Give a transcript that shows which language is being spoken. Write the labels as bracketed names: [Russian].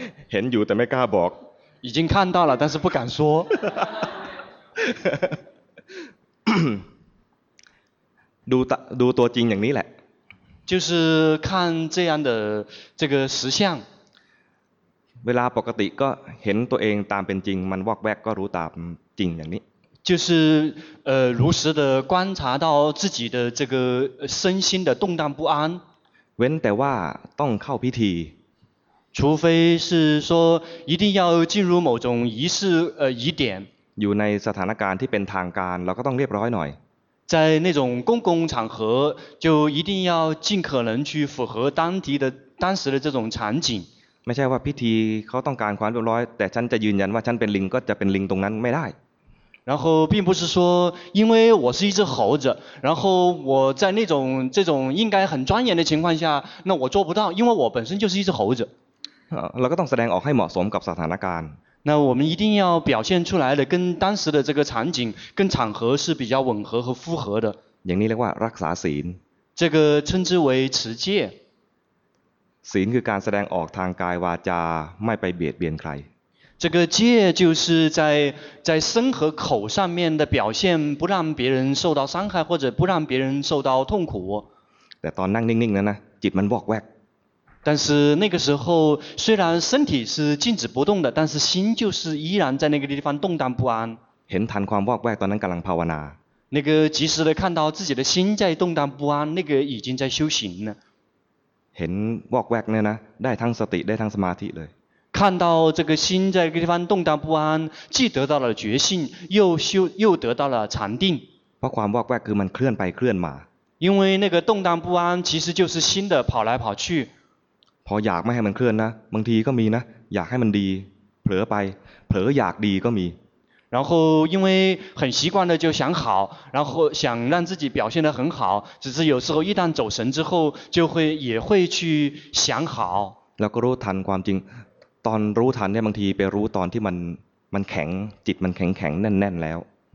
[Thai] เห็นอยู่แต่ไม่กล้าบอก [Chinese] 已经看到了但是不敢说 [Thai] ดูตัวจริงอย่างนี้แหละ [Chinese] 就是看这样的这个实相 [Thai] เวลาปกติก็เห็นตัวเองตามเป็นจริงมันวอกแวกก็รู้ตามจริงอย่างนี้ [Chinese] 就是如实的观察到自己的这个身心的动荡不安 [Thai] เว้นแต่ว่าต้องเข้าพิธี [Chinese] 除非是说一定要进入某种仪式仪典 [Thai] อยู่ในสถานการณ์ที่เป็นทางการเราก็ต้องเรียบร้อยหน่อย [Chinese] 在那种公共场合就一定要尽可能去符合当地的当时的这种场景 [Thai] ไม่ใช่ว่าพิธีเขาต้องการความเรียบร้อยแต่ฉันจะยืนยันว่าฉันเป็นลิงก็จะเป็นลิงตรงนั้นไม่ได้ [Chinese] 然后并不是说因为我是一只猴子然后我在那种这种应该很庄严的情况下那我做不到因为我本身就是一只猴子 [Thai] เราก็ต้องแสดงออกให้เหมาะสมกับสถานการณ์ [Chinese] 那我们一定要表现出来的跟当时的这个场景跟场合是比较吻合和符合的 [Thai] อย่างนี้เรียกว่ารักษาศีล [Chinese] 这个称之为持戒 [Thai] ศีลคือการแสดงออกทางกายวาจาไม่ไปเบียดเบียนใคร [Chinese] 这个戒就是在身和口上面的表现，不让别人受到伤害或者不让别人受到痛苦。 [Thai] แต่ตอนนั่งนิ่งๆนั้นนะจิตมันวอกแวก。 [Chinese] 但是那个时候虽然身体是静止不动的，但是心就是依然在那个地方动荡不安。 [Thai] เห็นทันความวอกแวกตอนนั้นกำลังภาวนา。 [Chinese] 那个及时的看到自己的心在动荡不安，那个已经在修行了。 [Thai] เห็นวอกแวกเนี่ยนะได้ทั้งสติได้ทั้งสมาธิเลย。 [Chinese] 看到这个心在这个地方动荡不安，既得到了觉性，又得到了禅定。 [Thai] เพราะความวอกแวกคือมันเคลื่อนไปเคลื่อนมา。 [Chinese] 因为那个动荡不安其实就是心的跑来跑去。 [Thai] พออยากไม่ให้มันเคลื่อนนะบางทีก็มีนะอยากให้มันดีเผลอไปเผลออยากดีก็มี。 [Chinese] 然后因为很习惯的就想好，然后想让自己表现得很好，只是有时候一旦走神之后，就会也会去想好。 [Thai] แล้วก็รู้ทันความจริงตอนรู้ทันเนี่ยบางทีไปรู้ตอนที่มันแข็งจิตมันแข็งแข็งแน่นแน่นแล้ว